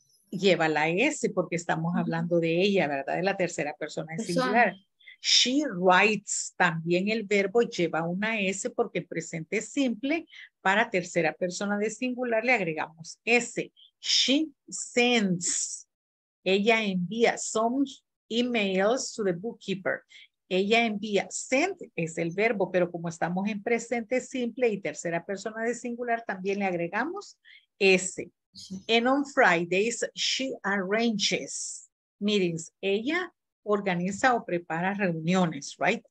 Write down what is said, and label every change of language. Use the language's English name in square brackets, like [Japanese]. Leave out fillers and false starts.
[Spanish] Lleva la S porque estamos hablando de ella, ¿verdad? De la tercera persona en singular. [English] She writes, [Spanish] también el verbo lleva una S porque el presente es simple. Para tercera persona de singular le agregamos S. [English] She sends, [Spanish] ella envía [English] some emails to the bookkeeper. [Spanish] Ella envía, send es el verbo, pero como estamos en presente simple y tercera persona de singular, también le agregamos S. Sí. [English] And on Fridays, she arranges meetings. [Spanish] Ella organiza o prepara reuniones, right?